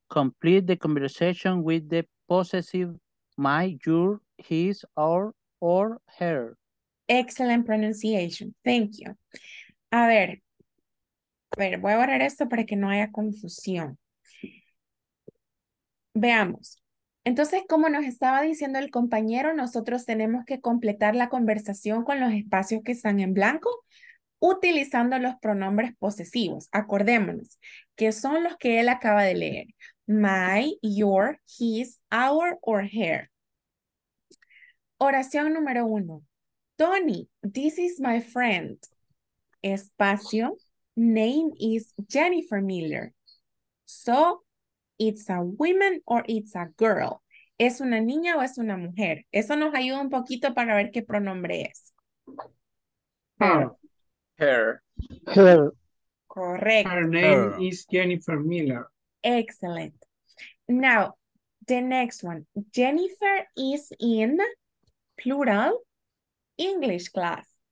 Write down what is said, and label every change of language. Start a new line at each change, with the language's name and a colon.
English: Complete the conversation with the possessive my, your, his, our, or her. Excellent pronunciation. Thank you.
Spanish: A ver, voy a borrar esto para que no haya confusión. Veamos. Entonces, como nos estaba diciendo el compañero, nosotros tenemos que completar la conversación con los espacios que están en blanco utilizando los pronombres posesivos. Acordémonos, que son los que él acaba de leer.
English: My, your, his, our, or her.
Spanish: Oración número uno.
English: Tony, this is my friend.
Spanish: Espacio.
English: Name is Jennifer Miller. So, it's a woman or it's a girl.
Spanish: ¿Es una niña o es una mujer? Eso nos ayuda un poquito para ver qué pronombre es.
English: Her. Her.
Spanish: Correcto.
English: Her name is Jennifer Miller. Excellent. Now, the next one. Jennifer is in plural English class.